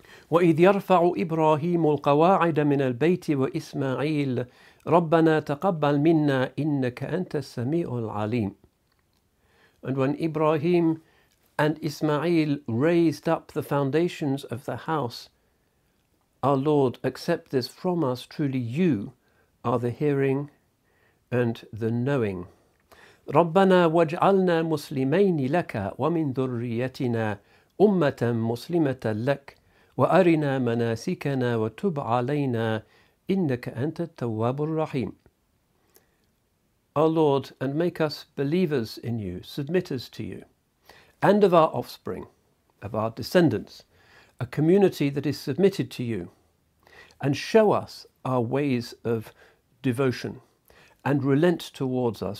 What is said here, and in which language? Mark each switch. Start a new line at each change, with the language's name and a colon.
Arabic: وَإِذْ يَرْفَعُ إِبْرَاهِيمُ الْقَوَاعِدَ مِنَ الْبَيْتِ وَإِسْمَعِيلَ رَبَّنَا تَقَبَّلْ مِنَّا إِنَّكَ أَنْتَ السَّمِيعُ الْعَلِيمُ.
English: And when Ibrahim and Ismail raised up the foundations of the house, our Lord, accept this from us, truly you are the hearing and the knowing.
Arabic: ربنا واجعلنا مسلمين لك ومن ذريتنا أمة مسلمة لك وأرنا مناسكنا وتب علينا إنك أنت التواب الرحيم.
English: O Lord, and make us believers in you, submitters to you, and of our offspring, of our descendants, a community that is submitted to you, and show us our ways of devotion, and relent towards us.